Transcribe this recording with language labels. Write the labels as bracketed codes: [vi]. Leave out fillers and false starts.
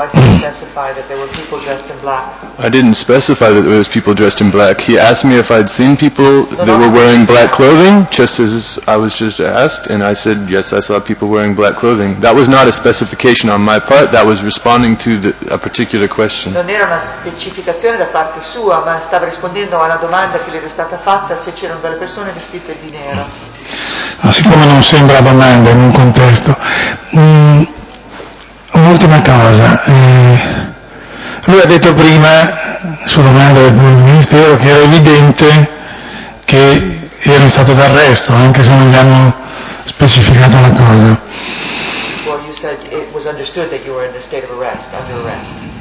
[en] Why did you specify that there were people dressed in black? I didn't specify that there was people dressed in black. He asked me if I'd seen people that were wearing black clothing, just as I was just asked, and I said, yes, I saw people wearing black clothing. That was not a specification on my part. That was responding to a particular question. [it] Non era una specificazione da parte sua, ma stava rispondendo alla domanda che gli era stata fatta se c'erano delle persone vestite di nero. Ma siccome non sembra domanda in un contesto... Un'ultima cosa, lui ha detto prima, su domanda del Ministero, che era evidente che era in stato d'arresto, anche se non gli hanno specificato la cosa. [en] Well, you said it was understood that you were in the state of arrest, under arrest.